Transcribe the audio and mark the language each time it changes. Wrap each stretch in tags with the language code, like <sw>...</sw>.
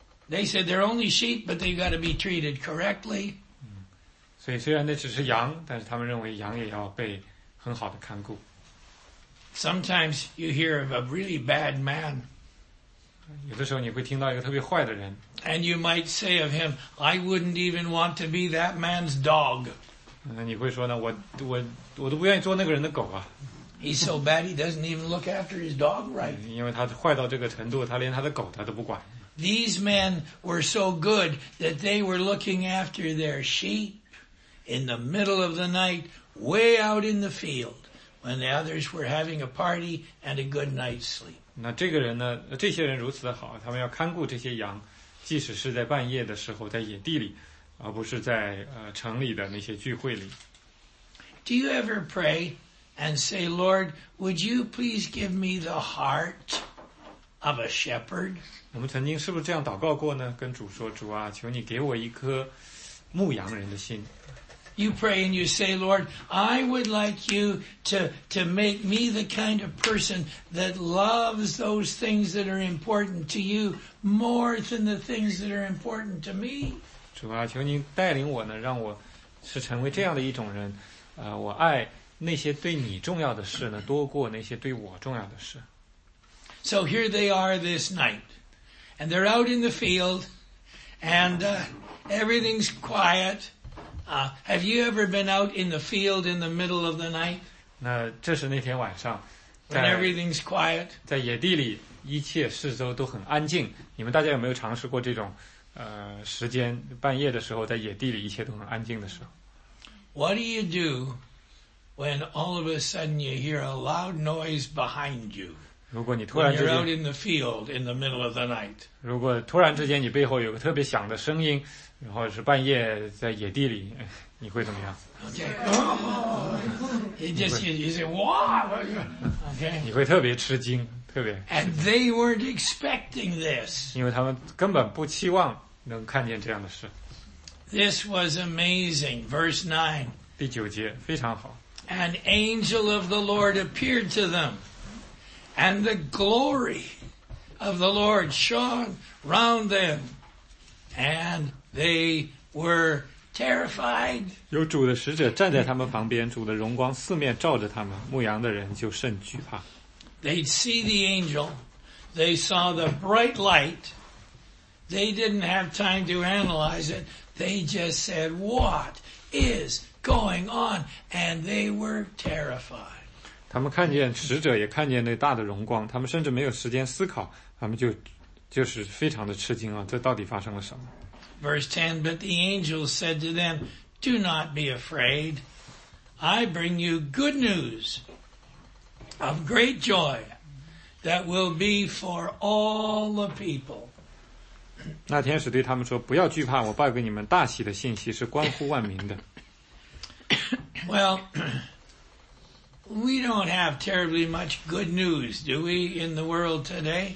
<en>They said they're only sheep, but they've got to be treated correctly.</en> <zh>所以虽然那只是羊，但是他们认为羊也要被很好的看顾。</zh> <en>Sometimes you hear of a really bad man.</en> <zh>有的时候你会听到一个特别坏的人。</zh> <en>And you might say of him, I wouldn't even want to be that man's dog.</en> <zh>那你会说呢，我都不愿意做那个人的狗啊。</zh> <en>He's so bad he doesn't even look after his dog right.</en> <zh>因为他坏到这个程度，他连他的狗他都不管。</zh> <en>These men were so good that they were looking after their sheep in the middle of the night, way out in the field. When the others were having a party and a good night's sleep.</en> <zh>那这个人呢，这些人如此的好，他们要看顾这些羊，即使是在半夜的时候在野地里，而不是在城里的那些聚会里。</zh> <en>Do you ever pray and say, Lord, would you please give me the heart of a shepherd?</en> <zh>我们曾经是不是这样祷告过呢？跟主说，主啊，求你给我一颗牧羊人的心。</zh> <en>You pray and you say, Lord, I would like you to make me the kind of person that loves those things that are important to you more than the things that are important to me.</en> <zh>主啊，求你带领我呢，让我是成为这样的一种人。我爱那些对你重要的事呢，多过那些对我重要的事。</zh> <en>So here they are this night, and they're out in the field, and everything's quiet. Have you ever been out in the field in the middle of the night?</en> <zh>那这是那天晚上。</zh> <en>When everything's quiet.</en> <zh>在野地里，一切四周都很安静。你们大家有没有尝试过这种时间？半夜的时候，在野地里，一切都很安静的时候。</zh> <en>What do you do when all of a sudden you hear a loud noise behind you?</en> <zh>如果你突然之间</zh> <en>you're out in the field in the middle of the night.</en> <zh>如果突然之间你背后有个特别响的声音，然后是半夜在野地里，你会怎么样？</zh> <en>Okay. Oh, you say, wow. Okay.</en> <zh>你会特别吃惊，特别。</zh> <en>And they weren't expecting this.</en> <zh>因为他们根本不期望能看见这样的事。</zh> <en>This was amazing. Verse 9.</en> <zh>第九节，非常好。</zh> <en>An angel of the Lord appeared to them, and the glory of the Lord shone round them, and they were terrified.</en> <zh>有主的使者站在他们旁边，主的荣光四面照着他们，牧羊的人就甚惧怕。</zh> <en>They'd see the angel. They saw the bright light. They didn't have time to analyze it. They just said, "What is going on?" And they were terrified.</en> <zh>他们看见使者，也看见那大的荣光，他们甚至没有时间思考，他们就是非常的吃惊啊！这到底发生了什么</zh> <en>？Verse 10, but the angel said to them, "Do not be afraid. I bring you good news of great joy that will be for all the people."</en> <zh>那天使对他们说不要惧怕我报给你们大喜的信息是关乎万民的</zh> <en>Well, we don't have terribly much good news, do we, in the world today?</en>